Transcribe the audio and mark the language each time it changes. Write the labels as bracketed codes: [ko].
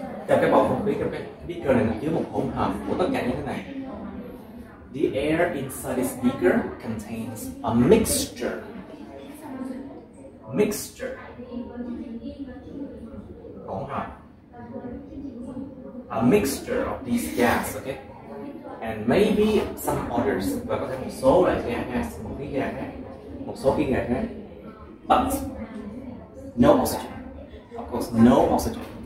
[vi] Trong cái bầu không khí, trong cái beaker này chứa một hỗn hợp của tất cả những thứ này. [en] The air inside this beaker contains a mixture mixture, [vi] hỗn hợp, [en] a mixture of these gas, okay, and maybe some others, [vi] và có thể một số loại gas khác, [en] một số khí gas khác, but no oxygen, of course no oxygen.